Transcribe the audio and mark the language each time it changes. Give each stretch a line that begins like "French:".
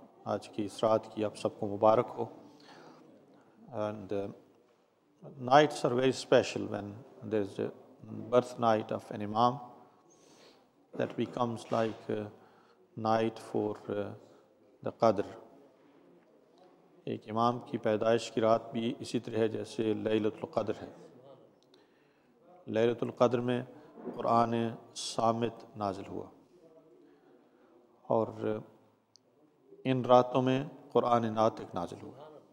Urdu: آج کی اس رات کی آپ سب کو مبارک ہو.
English: And nights are very special when there is a birth night of an imam, that becomes like a night for the qadr.
Urdu: ایک امام کی پیدائش کی رات بھی اسی طرح ہے جیسے لیلۃ القدر ہے. لیلۃ القدر میں قرآن صامت نازل ہوا، اور ان راتوں میں قرآن ناطق نازل ہوا.